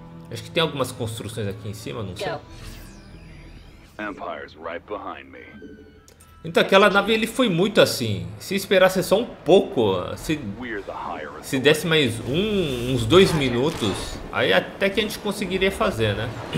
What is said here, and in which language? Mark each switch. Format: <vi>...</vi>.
<pt>Acho que tem algumas construções aqui em cima, não sei.</pt> <en>Empire's right behind me.</en> <pt>Então aquela nave ele foi muito assim. Se esperasse só um pouco, se desse mais uns dois minutos, aí até que a gente conseguiria fazer, né?</pt>